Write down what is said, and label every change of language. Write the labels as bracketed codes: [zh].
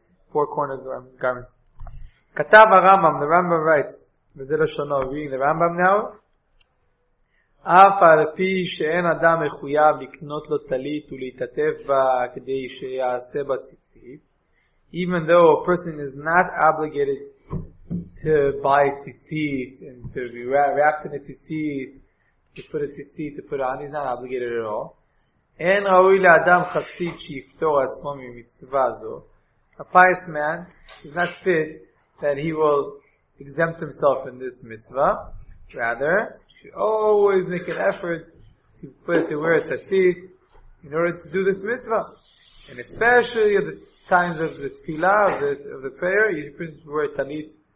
[en] Four cornered garment. Katav HaRambam, the Rambam writes, [he] וזה לשונו, [en] reading the Rambam now, [he] אף על פי שאין אדם מחויב לקנות לו תלית ולהתעטף בה כדי שיעשה בה ציצית, [en] even though a person is not obligated to buy ציצית and to be wrapped in a ציצית, to put a ציצית, to put it on, he's not obligated at all. [he] אין ראוי לאדם חסיד שיפתור עצמו ממצווה זו. [en] A pious man is not fit that he will exempt himself in this mitzvah. Rather, he should always make an effort to put it to where it's a tzitzit in order to do this mitzvah. And especially at the times of the tefillah, of the prayer, you put it to where tamid.